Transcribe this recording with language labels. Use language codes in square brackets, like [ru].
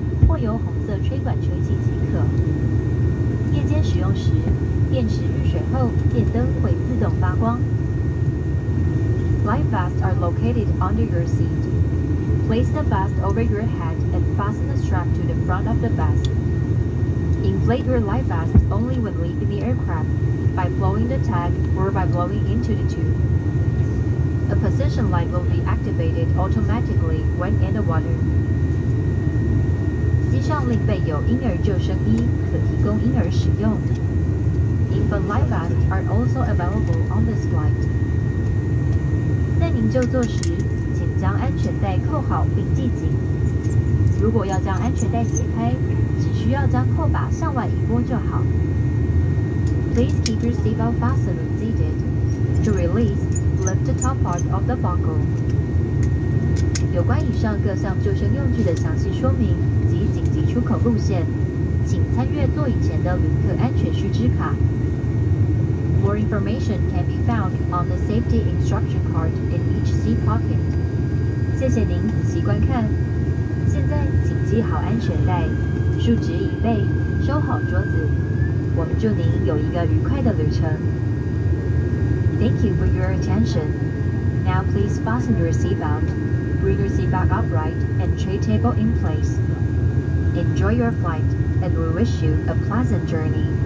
[zh] 或由红色吹管吹气即可。夜间使用时，电池遇水后，电灯会自动发光。 [en] Life vests are located under your seat. Place the vest over your head and fasten the strap to the front of the vest. Inflate your life vest only when leaving the aircraft by blowing the tag or by blowing into the tube. A position light will be activated automatically when in the water. [zh] 机上另备有婴儿救生衣，可提供婴儿使用。 [en] Infant life vests are also available on this flight. [zh] 在您就座时，请将安全带扣好并系紧。如果要将安全带解开，只需要将扣把向外一拨就好。 [en] Please keep your seatbelt fastened and seated. To release, lift the top part of the buckle. [zh] 有关以上各项救生用具的详细说明及紧急出口路线，请参阅座椅前的旅客安全须知卡。 [en] More information can be found on the safety instruction card in each seat pocket. [zh] 谢谢您仔细观看。现在请系好安全带，竖直椅背，收好桌子。我们祝您有一个愉快的旅程。 [en] Thank you for your attention. Now please fasten your seatbelt, bring your seat back upright, and tray table in place. Enjoy your flight, and we wish you a pleasant journey.